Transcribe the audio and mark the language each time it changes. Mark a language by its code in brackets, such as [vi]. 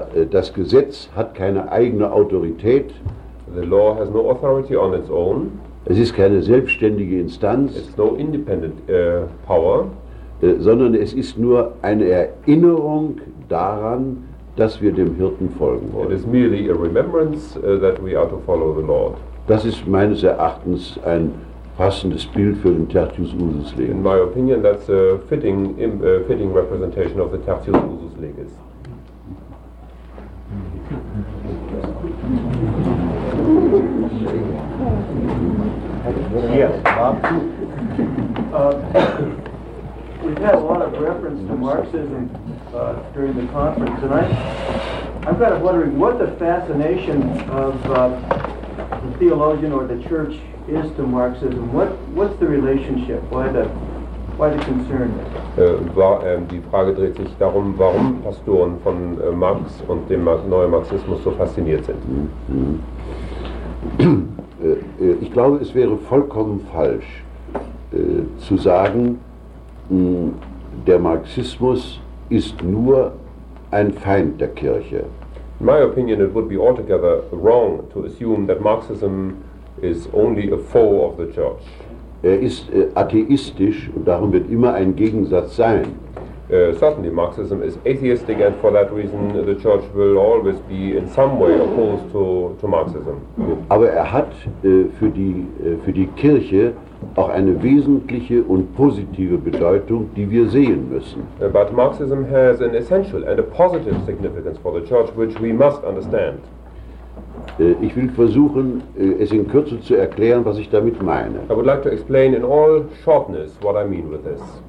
[de] Das Gesetz hat keine eigene Autorität. [en] The law has no authority on its own. [de] Es ist keine selbstständige Instanz. [en] It's no independent power. [de] Sondern es ist nur eine Erinnerung daran, dass wir dem Hirten folgen wollen. [en] It is merely a remembrance that we are to follow the Lord. [de] Das ist meines Erachtens ein passendes Bild für den Tertius Usus Legis. [en] In my opinion, that's a fitting representation of the Tertius Usus Legis. Yes, Bob. We've had a lot of reference to Marxism during the conference, and I'm kind of wondering what the fascination of the theologian or the church is to Marxism. What's the relationship? Why the concern? [de] Die Frage dreht sich darum, warum Pastoren von Marx und dem neuen Marxismus so fasziniert sind. Ich glaube, es wäre vollkommen falsch zu sagen, der Marxismus ist nur ein Feind der Kirche. [en] In my opinion, it would be altogether wrong to assume that Marxism is only a foe of the church. [de] Er ist atheistisch und darum wird immer ein Gegensatz sein. [en] Certainly, Marxism is atheistic, and for that reason, the Church will always be in some way opposed to Marxism. [de] Aber er hat für die Kirche auch eine wesentliche und positive Bedeutung, die wir sehen müssen. [en] But Marxism has an essential and a positive significance for the Church, which we must understand. [de] Ich will versuchen, es in Kürze zu erklären, was ich damit meine. [en] I would like to explain in all shortness what I mean with this.